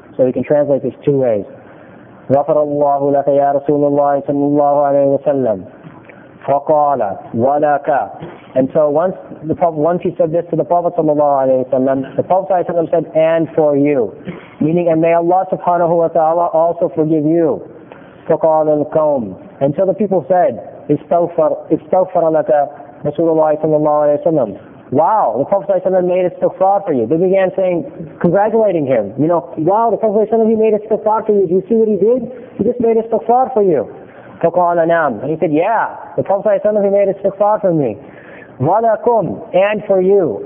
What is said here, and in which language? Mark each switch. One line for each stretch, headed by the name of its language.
English: So you can translate this two ways.
Arabic: غَفَرَ اللَّهُ لَكَ يَا رَسُولُ اللَّهِ صَلَّى اللَّهُ عَلَيْهِ وَسَلَّمُ فَقَالَ وَلَكَ.
English: And so once he said this to the Prophet sallallahu alayhi wa sallam, the Prophet sallallahu alayhi wa sallam said, and for you. Meaning, and may Allah subhanahu wa ta'ala also forgive you.
Arabic: فَقَالَ الْقَوْمُ.
English: And so the people said,
Arabic: استغفر لك رسول الله صلى الله عليه وسلم.
English: Wow, the Prophet ﷺ made istighfar for you. They began saying, congratulating him. You know, wow, the Prophet ﷺ, he made istighfar for you. Do you see what he did? He just made istighfar for you.
Arabic: فَقَالَ نَعْمُ.
English: And he said, yeah, the Prophet ﷺ, he made istighfar for me.
Arabic: وَلَكُمْ.
English: And for you.